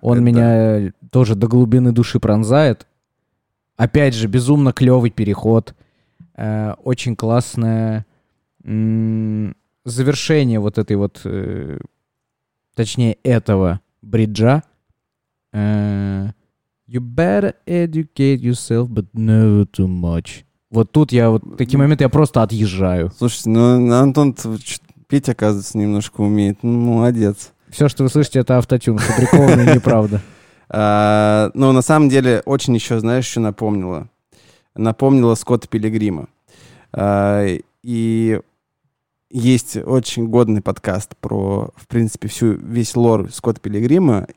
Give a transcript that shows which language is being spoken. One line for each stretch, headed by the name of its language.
Russian: Он меня тоже до глубины души пронзает. Опять же, безумно клевый переход. Очень классное завершение вот этой вот, точнее, этого бриджа.
English: You better educate yourself, but never too much.
Russian: Вот тут я, вот такие моменты я просто отъезжаю. Слушайте, ну Антон петь, оказывается, немножко умеет. Ну, молодец. Все, что вы слышите, это автотюн. Это прикольно и неправда. Но на самом деле очень еще, знаешь, что напомнило? Напомнило Скотта Пилигрима. И есть очень годный подкаст про, в принципе, весь лор Скотта Пилигрима.